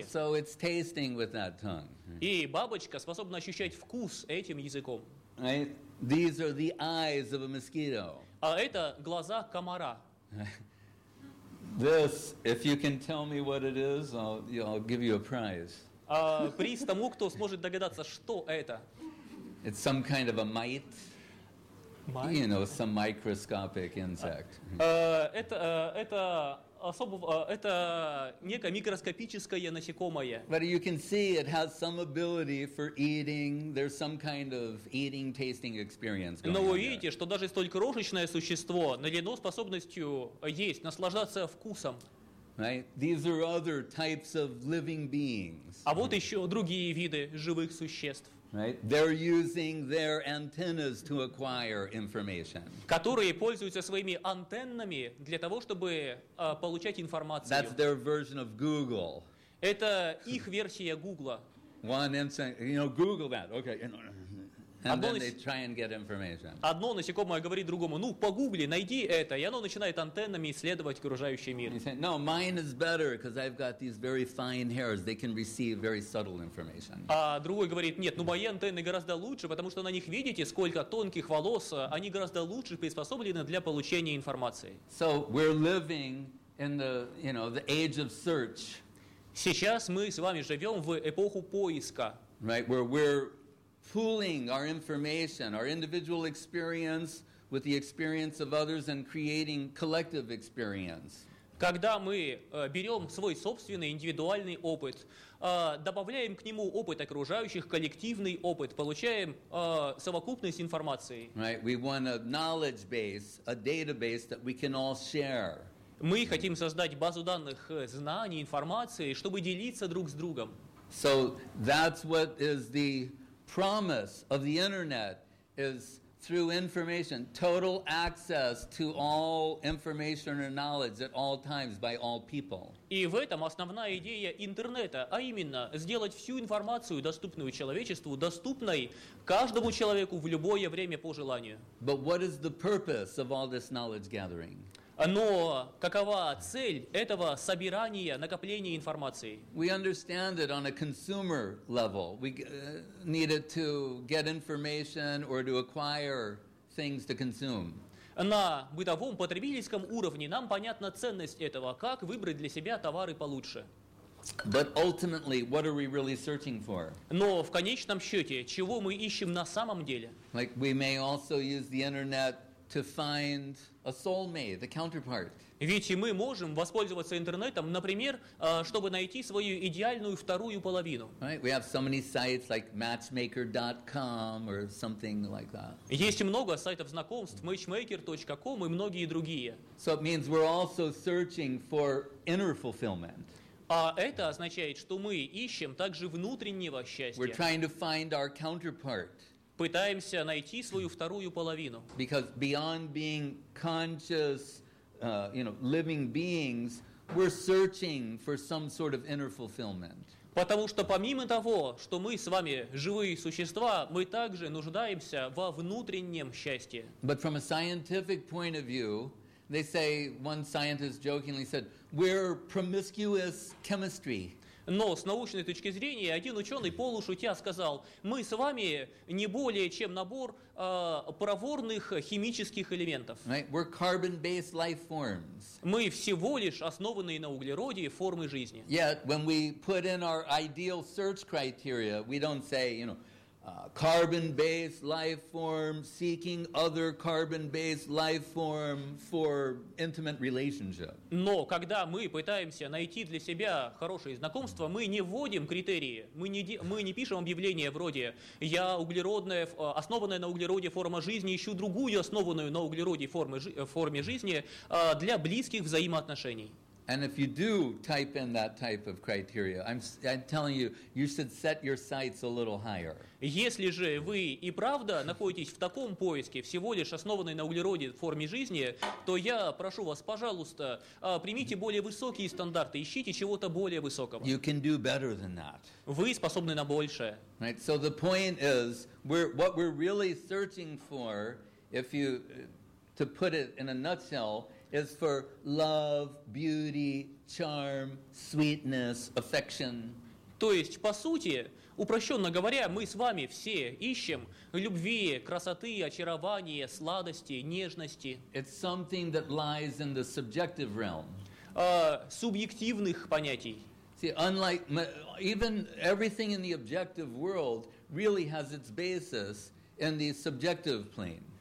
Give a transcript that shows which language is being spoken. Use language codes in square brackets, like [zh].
[en] So it's tasting with that tongue. [ru] И бабочка способна ощущать вкус этим языком. [en] Right? These are the eyes of a mosquito. [ru] А это глаза комара. [en] This, if you can tell me what it is, I'll give you a prize. [ru] Приз тому, кто сможет догадаться, что это. [en] It's some kind of a mite. You know, some microscopic insect. [ru] Это некое микроскопическое насекомое. [en] But you can see it has some ability for eating. There's some kind of eating, tasting experience going on. [ru] Но вы видите, что даже столь крошечное существо наделено способностью есть, наслаждаться вкусом. [en] Right? These are other types of living beings. [ru] А вот еще другие виды живых существ. [en] Right? They're using their antennas to acquire information. [ru] Которые пользуются своими антеннами для того, чтобы получать информацию. [en] That's their version of Google. [ru] Это их версия Гугла. [en] One insect, you know, Google that, okay. And then they try and get information. [ru] Одно насекомое говорит другому, ну, погугли, найди это. И оно начинает антеннами исследовать окружающий мир. [en] And you say, no, mine is better, because I've got these very fine hairs. They can receive very subtle information. [ru] А другой говорит, нет, ну, мои антенны гораздо лучше, потому что на них, видите, сколько тонких волос. Они гораздо лучше приспособлены для получения информации. [en] So we're living in the, you know, the age of search. [ru] Сейчас мы с вами живем в эпоху поиска. [en] Right, where we're pooling our information, our individual experience with the experience of others and creating collective experience. [ru] Когда мы берем свой собственный индивидуальный опыт, добавляем к нему опыт окружающих, коллективный опыт, получаем совокупность информации. [en] Right, we want a knowledge base, a database that we can all share. [ru] Мы хотим создать базу данных знаний, информации, чтобы делиться друг с другом. [en] So that's what is the promise of the internet is through information, total access to all information and knowledge at all times by all people. [ru] И в этом основная идея интернета, а именно сделать всю информацию, доступную человечеству, доступной каждому человеку в любое время по желанию. [en] But what is the purpose of all this knowledge gathering? [ru] Но какова цель этого собирания, накопления информации? [en] We understand that on a consumer level, we need it to get information or to acquire things to consume. [ru] На бытовом потребительском уровне нам понятна ценность этого, как выбрать для себя товары получше. [en] But ultimately, what are we really searching for? [ru] Но в конечном счете, чего мы ищем на самом деле? [en] Like we may also use the internet to find a soulmate, the counterpart. [ru] Ведь мы можем воспользоваться интернетом, например, чтобы найти свою идеальную вторую половину. [en] Right? We have so many sites like matchmaker.com or something like that. [ru] Есть много сайтов знакомств, matchmaker.com и многие другие. [en] So it means we're also searching for inner fulfillment. [ru] А это означает, что мы ищем также внутреннего счастья. [en] We're trying to find our counterpart. [ru] Пытаемся найти свою вторую половину. [en] Because beyond being conscious, living beings, we're searching for some sort of inner fulfillment. [ru] Потому что помимо того, что мы с вами живые существа, мы также нуждаемся во внутреннем счастье. [en] But from a scientific point of view, they say, one scientist jokingly said, we're promiscuous chemistry. [ru] Но с научной точки зрения один ученый полушутя сказал, мы с вами не более чем набор проворных химических элементов. [en] Right? We're carbon-based life forms. [ru] Мы всего лишь основанные на углероде формы жизни. [en] Yet, when we put in our ideal search criteria, we don't say, carbon-based life form, seeking other carbon-based life form for intimate relationship. [ru] Но когда мы пытаемся найти для себя хорошее знакомство, мы не вводим критерии, мы не пишем объявление вроде «Я углеродная, основанная на углероде форма жизни, ищу другую основанную на углероде форме жизни для близких взаимоотношений». [en] And if you do type in that type of criteria, I'm telling you, you should set your sights a little higher. [ru] Если же вы и правда находитесь в таком поиске, всего лишь основанной на углероде форме жизни, то я прошу вас, пожалуйста, примите более высокие стандарты, ищите чего-то более высокого. [en] You can do better than that. [ru] Вы способны на большее. [en] Right. So the point is, what we're really searching for, if you to put it in a nutshell. Is for love, beauty, charm, sweetness, affection. [ru] То есть, по сути, упрощенно говоря, мы с вами все ищем любви, красоты, очарования, сладости, нежности. [en] It's something that lies in the subjective realm. [ru] Субъективных понятий. [en] See, unlike even everything in the objective world really has its basis in the subjective plane.